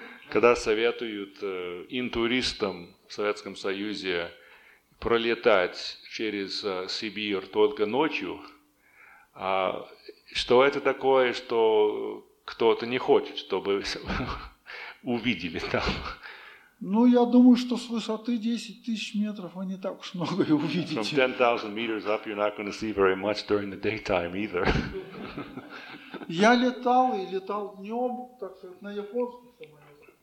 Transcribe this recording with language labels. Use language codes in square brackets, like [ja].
[ru] Когда советуют интуристам в Советском Союзе пролетать через Сибирь только ночью, что это такое, что кто-то не хочет, чтобы увидели там? Ну, я думаю, что с высоты 10 тысяч метров вы не так уж много и увидите. [en] From 10,000 meters up, you're not going to see very much during the daytime either. [ru] Я летал и летал днем, так сказать, на японских самолетах.